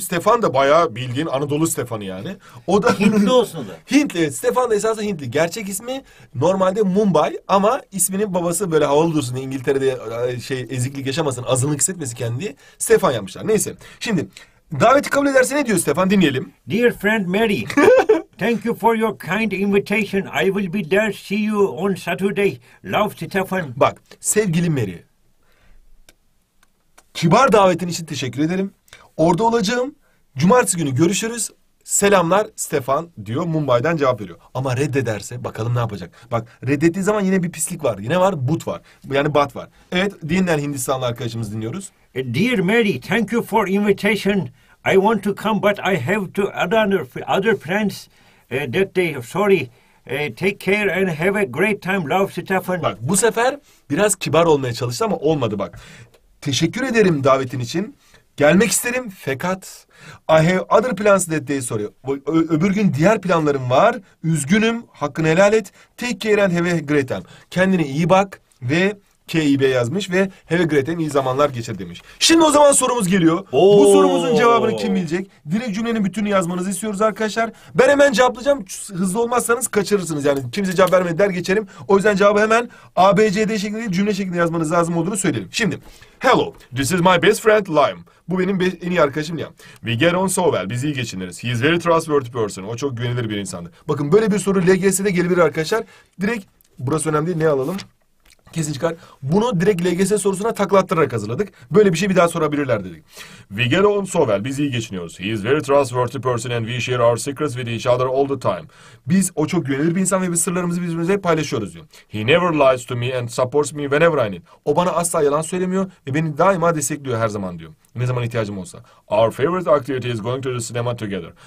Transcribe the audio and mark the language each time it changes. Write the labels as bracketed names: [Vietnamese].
[Turkish] Stefan da bayağı bildiğin Anadolu Stefan'ı yani. O da Hintli olsun da. Hintli, evet. Stefan da esasında Hintli. Gerçek ismi normalde Mumbai ama isminin babası böyle havalı dursun diye İngiltere'de şey eziklik yaşamasın, azınlık hissetmesi kendi Stefan yapmışlar. Neyse. Şimdi Daveti kabul ederse ne diyor Stefan? Dinleyelim. [English] Dear friend Mary, thank you for your kind invitation. I will be there. See you on Saturday. Love, Stefan. [Turkish] Bak, sevgili Mary. Kibar davetin için teşekkür ederim. Orada olacağım. Cumartesi günü görüşürüz. Selamlar Stefan diyor. Mumbai'den cevap veriyor. Ama reddederse bakalım ne yapacak? Bak, reddettiği zaman yine bir pislik var. Yine var, but var. Yani bat var. Evet, dinlen Hindistanlı arkadaşımız, dinliyoruz. [English] Dear Mary, thank you for invitation. I want to come but I have to other plans that day. Sorry. Take care and have a great time. Love, Stefan. [Turkish] Bak, bu sefer biraz kibar olmaya çalıştı ama olmadı bak. Teşekkür ederim davetin için. Gelmek isterim fekat [English] I have other plans that day, sorry. [Turkish] Öbür gün diğer planlarım var. Üzgünüm. Hakkını helal et. [English] Take care and have a great time. [Turkish] Kendine iyi bak ve KİB yazmış ve [English] have a great time, [Turkish] iyi zamanlar geçir demiş. Şimdi o zaman sorumuz geliyor. Bu sorumuzun cevabını kim bilecek? Direkt cümlenin bütününü yazmanızı istiyoruz arkadaşlar. Ben hemen cevaplayacağım. Hızlı olmazsanız kaçırırsınız. Yani kimse cevap vermedi der geçerim. O yüzden cevabı hemen ABCD şeklinde cümle şeklinde yazmanız lazım olduğunu söyleyelim. Şimdi. [English] Hello. This is my best friend Lime. [Turkish] Bu benim en iyi arkadaşım ya. [English] We get on so well. [Turkish] Biz iyi geçiniriz. [English] He is very trustworthy person. [Turkish] O çok güvenilir bir insandı. Bakın böyle bir soru LGS'de gelebilir arkadaşlar. Direkt burası önemli değil. Ne alalım? Kesin çıkar. Bunu direkt LGS sorusuna taklattırarak hazırladık. Böyle bir şey bir daha sorabilirler dedik. [English] We get on so well. [Turkish] Biz iyi geçiniyoruz. [English] He is very trustworthy person and we share our secrets with each other all the time. [Turkish] Biz o çok güvenilir bir insan ve biz sırlarımızı birbirimize paylaşıyoruz diyor. [English] He never lies to me and supports me whenever I need. [Turkish] O bana asla yalan söylemiyor ve beni daima destekliyor her zaman diyor. Ne zaman ihtiyacım olsa. [English] Our favorite activity is going to the cinema together.